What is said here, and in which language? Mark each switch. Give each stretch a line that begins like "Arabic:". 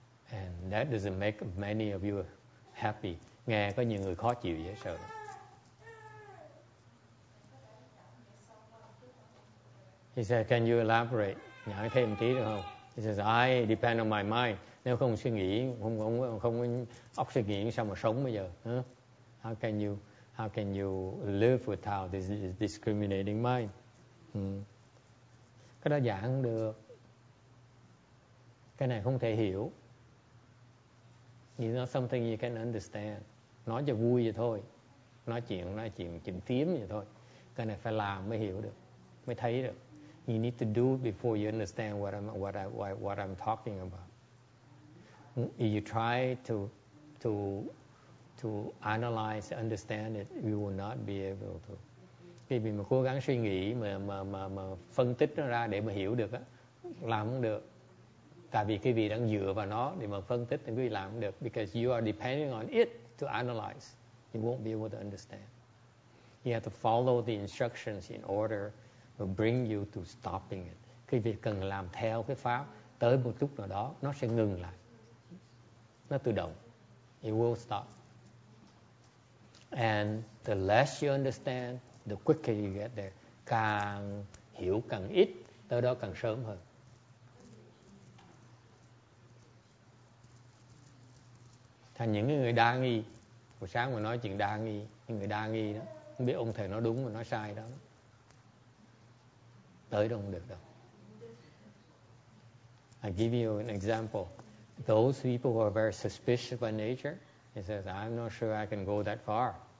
English: And that doesn't make many of you happy.
Vietnamese: Nghe có nhiều người khó chịu dễ sợ.
English: He said, can you elaborate?
Vietnamese: Nhắn thêm một tí được không?
English: He says, I depend on my mind.
Vietnamese: Nếu không suy nghĩ, không óc suy nghĩ sao mà sống bây giờ? Huh?
English: How can you live without this discriminating mind?
Vietnamese: Cái đó giảng không được. Cái này không thể hiểu.
English: You know something you can understand.
Vietnamese: Nói cho vui vậy thôi. Nói chuyện chìm tím vậy thôi. Cái này phải làm mới hiểu được, mới thấy được.
English: You need to do it before you understand what I'm talking about. If you try to analyze, understand it, you will not be able to.
Vietnamese: Khi mình cố gắng suy nghĩ mà phân tích nó ra để mà hiểu được á, làm không được. Tại vì quý vị đang dựa vào nó để mà phân tích thì quý vị làm không được.
English: Because you are depending on it to analyze. You won't be able to understand. You have to follow the instructions in order to bring you to stopping it.
Vietnamese: Quý vị cần làm theo cái pháp. Tới một lúc nào đó, nó sẽ ngừng lại. Nó tự động.
English: It will stop. And the less you understand, the quicker you get there.
Vietnamese: Càng hiểu càng ít, tới đó càng sớm hơn. Thành những người đa nghi, buổi sáng mà nói chuyện đa nghi, những người đa nghi đó, không biết ông thầy nói đúng mà nói sai đó, tới đâu không được đâu.
English: I give you an example. Those people who are very suspicious by nature, he says, I'm not sure I can go that far.